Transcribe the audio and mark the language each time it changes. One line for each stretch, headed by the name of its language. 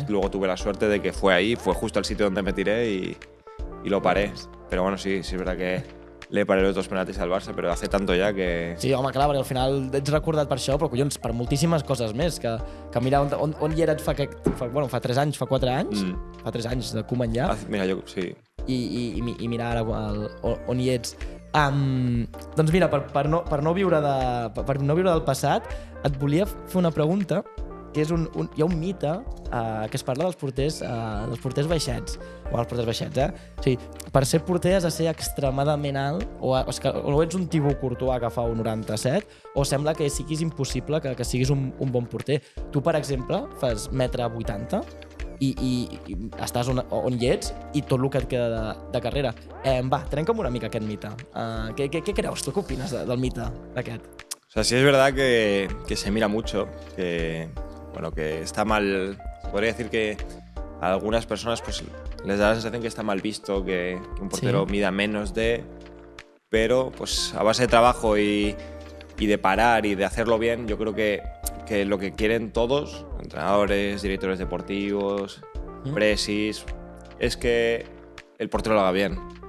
Spanish: Luego tuve la suerte de que fue ahí, fue justo al sitio donde me tiré y lo paré. Pero bueno, sí, es verdad que le paré los dos penaltis al Barça, pero hace tanto ya que...
Catalan: Sí, home, clar, perquè al final ets recordat per això, però collons, per moltíssimes coses més. Que mira on hi eres fa 3 anys, fa 4 anys, fa 3 anys de Koeman ja. Mira, jo, sí. I mira ara on hi ets. Doncs mira, per no viure del passat, et volia fer una pregunta. Que és hi ha un mite que es parla dels porters baixets. O dels porters baixets, O sigui, per ser porter has de ser extremadament alt, o ets un Thibaut Courtois que fa un 97, o sembla que siguis impossible que siguis un bon porter. Tu, per exemple, fas 1,80 m i estàs on hi ets i tot el que et queda de carrera. Va, trenca'm una mica aquest mite. Què creus tu? Què opines del mite d'aquest?
Spanish: O sea, sí, es verdad que se mira mucho, que... Bueno, que está mal... Podría decir que a algunas personas pues, les da la sensación que está mal visto que un portero mida menos de... Pero pues, a base de trabajo y de parar y de hacerlo bien, yo creo que lo que quieren todos, entrenadores, directores deportivos, presis, es que el portero lo haga bien.